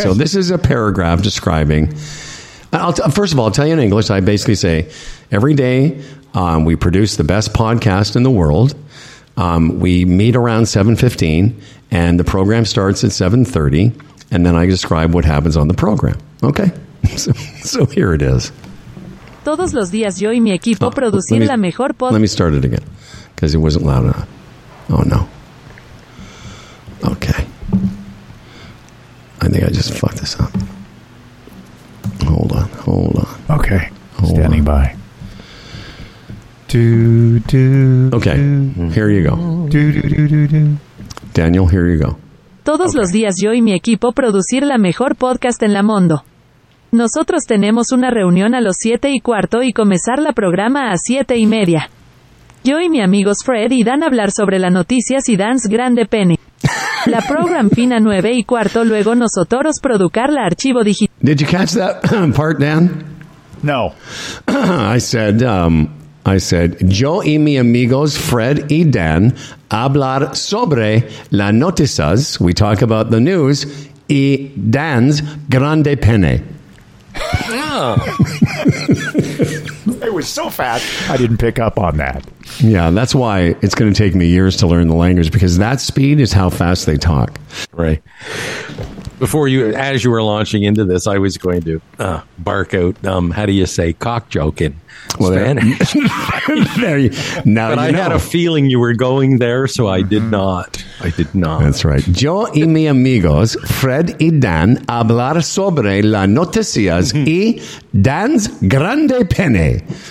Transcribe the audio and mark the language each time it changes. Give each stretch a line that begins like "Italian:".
English: So this is a paragraph describing. I'll tell you in English. I basically say, every day we produce the best podcast in the world. We meet around 7:15, and the program starts at 7:30. and then I describe what happens on the program. Okay, so here it is.
Spanish: Todos los días yo y mi equipo producimos la mejor podcast.
English: Let me start it again, because it wasn't loud enough. Oh, no. Okay. I think I just fucked this up. Hold on. Okay. Standing by. Okay. Here you go. Daniel, here you go.
Spanish: Todos los días yo y mi equipo producir la mejor podcast en la mundo. Nosotros tenemos una reunión a los 7:15 y comenzar la programa a 7:30. Yo y mi amigos Fred y Dan hablar sobre la noticia y Dan's grande pene. La program fin a 9:15, luego nosotros producir la archivo digital.
English: Did you catch that part, Dan? No. I said,
Spanish: yo y mi amigos Fred y Dan hablar sobre la noticias.
English: We talk about the news y Dan's
Spanish: grande pene.
English: Yeah. It was so fast, I didn't pick up on that. Yeah, that's why it's going to take me years to learn the language, because that speed is how fast they talk. Right. Before you, as you were launching into this, I was going to bark out, how do you say, cock joke in Spanish? There you, now but you I know. Had a feeling you were going there, so I did not. That's right.
Spanish: Yo y mi amigos, Fred y Dan, hablar sobre la noticias y Dan's grande pene.